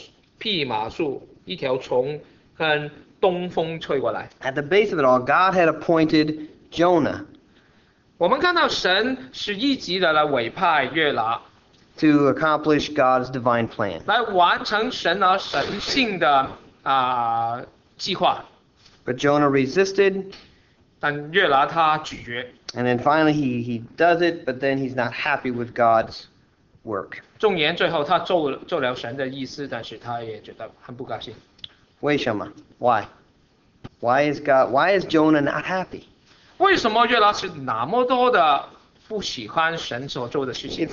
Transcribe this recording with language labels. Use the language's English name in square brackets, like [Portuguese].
[Chinese] 在这里我们再次看到神对约拿却差派了一棵蓖麻树，一条虫跟 [English] At the base of it all, God had appointed Jonah. [Chinese] 我们看到神是一级的来委派约拿 [English] to accomplish God's divine plan. [Chinese] 来完成神啊神性的计划. [English] But Jonah resisted. [Chinese] 但约拿他拒绝. [English] And then finally he does it, but then he's not happy with God's work. [Chinese] 纵然最后他做了神的意思，但是他也觉得很不高兴. [English] 为什么?Why? Why is God? Why is Jonah not happy? [Chinese] 为什么约拿是那么多的不喜欢神所做的事情？It